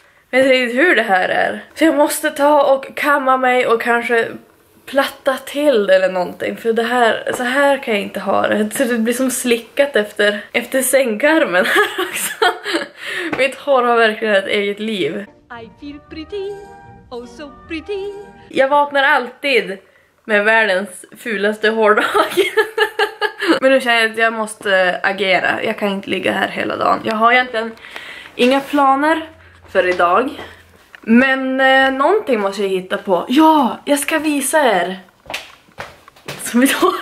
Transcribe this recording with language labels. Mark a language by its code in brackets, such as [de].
[sv] Jag vet inte riktigt hur det här är. Så jag måste ta och kamma mig och kanske platta till det eller någonting. För det här, så här kan jag inte ha det. Så det blir som slickat efter sängkarmen här också. Mitt hår har verkligen ett eget liv. [en] I feel pretty, oh so pretty. [sv] Jag vaknar alltid med världens fulaste hårdag. Men nu känner jag att jag måste agera. Jag kan inte ligga här hela dagen. Jag har egentligen inga planer för idag. Men någonting måste jag hitta på. Ja, jag ska visa er. Som mitt hår.